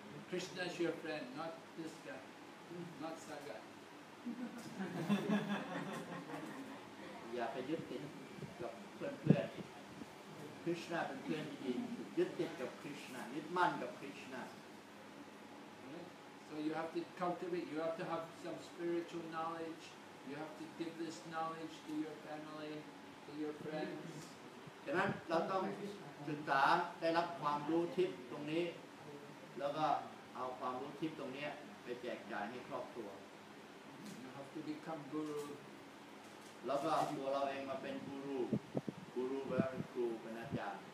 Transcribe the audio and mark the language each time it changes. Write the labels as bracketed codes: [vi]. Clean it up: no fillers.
[en] Krishna is your friend, not this guy, not Sangha. [th] อย่าไปยึดติดกับเพื่อนเพื่อน Krishna เป็นเพื่อนดียึดติดกับ Krishna ยึดมั่นกับ Krishna [en] So you have to cultivate. You have to have some spiritual knowledge. You have to give this knowledge to your family, to your friends. [th] ฉะนั้นเราต้องศึกษาได้รับความรู้ทิพย์ตรงนี้แล้วก็เอาความรู้ทิพย์ตรงนี้ไปแจกจ่ายให้ครอบครัว [en] You have to become guru. [th] แล้วก็เอาตัวเราเองมาเป็นกูรูกูรูแปลว่าครูเป็นอาจารย